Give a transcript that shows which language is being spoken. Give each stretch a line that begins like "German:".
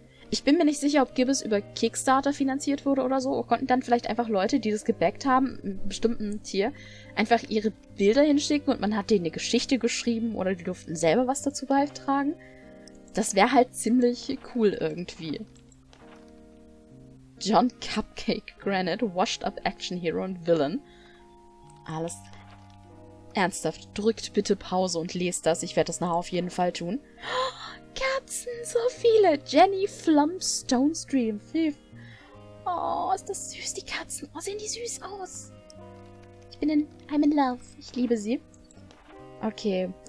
German: Ich bin mir nicht sicher, ob Gibbes über Kickstarter finanziert wurde oder so. Konnten dann vielleicht einfach Leute, die das gebackt haben, einem bestimmten Tier, einfach ihre Bilder hinschicken und man hat denen eine Geschichte geschrieben oder die durften selber was dazu beitragen? Das wäre halt ziemlich cool irgendwie.
English: John Cupcake Granite, washed up action hero and villain.
German: Alles ernsthaft, drückt bitte Pause und lest das. Ich werde das nachher auf jeden Fall tun. Oh, Kerzen, so viele. Jenny Flum Stone Stream. Oh, ist das süß, die Kerzen. Oh, sehen die süß aus. Ich bin in...
English: I'm in love.
German: Ich liebe sie. Okay.